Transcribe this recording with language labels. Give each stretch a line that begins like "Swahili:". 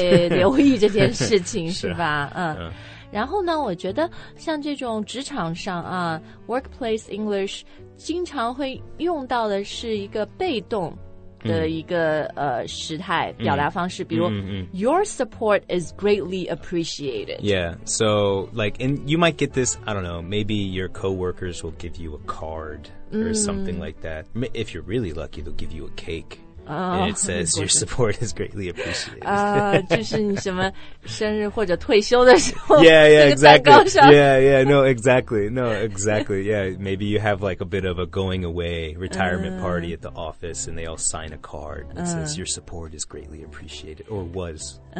Chinese: 对，留意这件事情是吧？然后呢，我觉得像这种职场上啊 workplace English 经常会用到的是一个被动的一个、时态表达方式，比如
English: your support is greatly appreciated. Yeah, so like, and you might get this, I don't know, maybe your coworkers will give you a card or something like that. If you're really lucky, they'll give you a cake. And it says your support is greatly appreciated.
Chinese: 就是你什么生日或者退休的时候
English: Yeah, yeah, exactly. Yeah, yeah, no, exactly. No, exactly. Yeah, maybe you have like a bit of a going away retirement party at the office and they all sign a card that says your support is greatly appreciated or was.